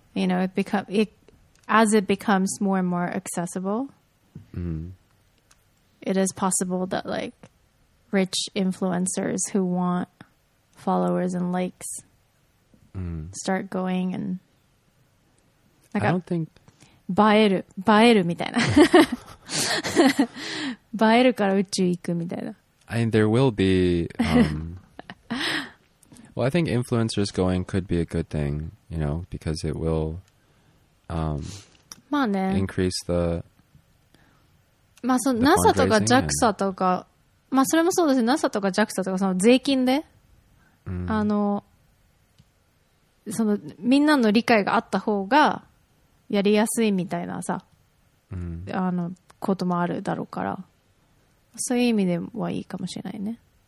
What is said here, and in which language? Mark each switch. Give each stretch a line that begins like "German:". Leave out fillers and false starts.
English: You know, as it becomes more and more accessible, it is possible that, like, rich influencers who want followers and likes start going and... I don't think...
Japanese: 映えるみたいな。映えるから宇宙行くみたいな。
English: I mean, there will be... well, I think influencers going could be a good thing, you know, because it will increase the...
Japanese: まあ、NASA とか JAXA とか、まあ、それもそうですね。 NASA とか JAXA とか、その税金で、あの、その、みんなの理解があった方が、やりやすいみたいなさ、あのこともあるだろうから、そういう意味ではいいかもしれないね。